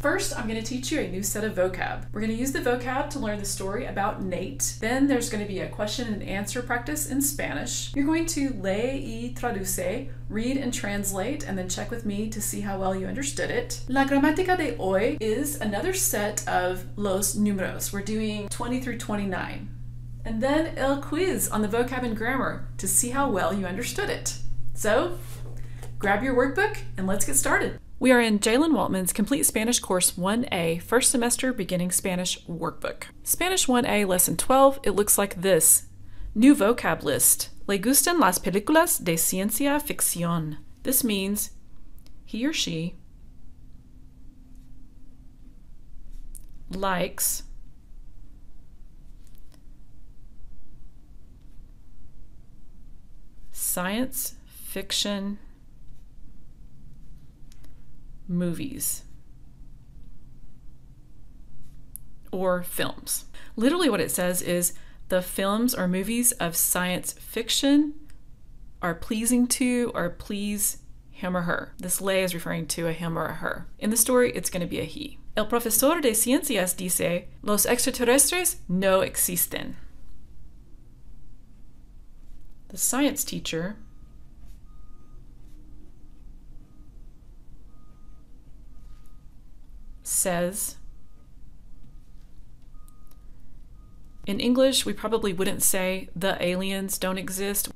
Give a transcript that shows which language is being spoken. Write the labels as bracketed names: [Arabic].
[English] First, I'm gonna teach you a new set of vocab. We're gonna use the vocab to learn the story about Nate. Then there's gonna be a question and answer practice in Spanish. You're going to [Spanish] lee y traduce, [English] read and translate, and then check with me to see how well you understood it. [Spanish] La gramática de hoy [English] is another set of [Spanish] los números. [English] We're doing 20 through 29. And then el quiz on the vocab and grammar to see how well you understood it. So, grab your workbook and let's get started. We are in Jalen Waltman's Complete Spanish Course 1A, First Semester Beginning Spanish Workbook. Spanish 1A, Lesson 12, it looks like this. New vocab list. [Spanish] Le gustan las películas de ciencia ficción. [English] This means he or she likes science fiction movies or films. Literally what it says is the films or movies of science fiction are pleasing to or please him or her. This le is referring to a him or a her. In the story, it's going to be a he. [Spanish] El profesor de ciencias dice, los extraterrestres no existen. [English] The science teacher says, in English, we probably wouldn't say the aliens don't exist.